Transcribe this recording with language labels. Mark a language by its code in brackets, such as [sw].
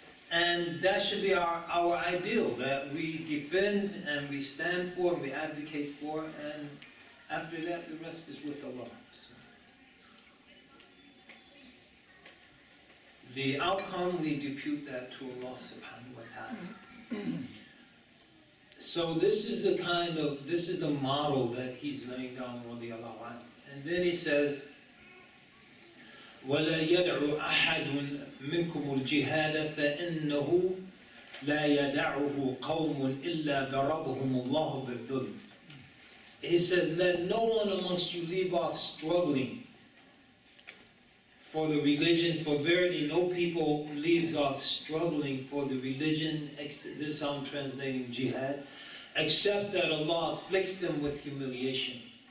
[en] And that should be our ideal, that we defend and we stand for and we advocate for, and after that the rest is with Allah. So the outcome, we depute that to Allah subhanahu wa ta'ala. So this is the kind of, this is the model that he's laying down, radiallahu anhu. And then he says, [ar] ولا يدعو أحد منكم الجهاد فإنه لا يدعه قوم إلا ضربهم الله بالذل. [en] He said, let no one amongst you leave off struggling for the religion, for verily no people leaves off struggling for the religion, this I'm translating jihad, except that Allah afflicts them with humiliation.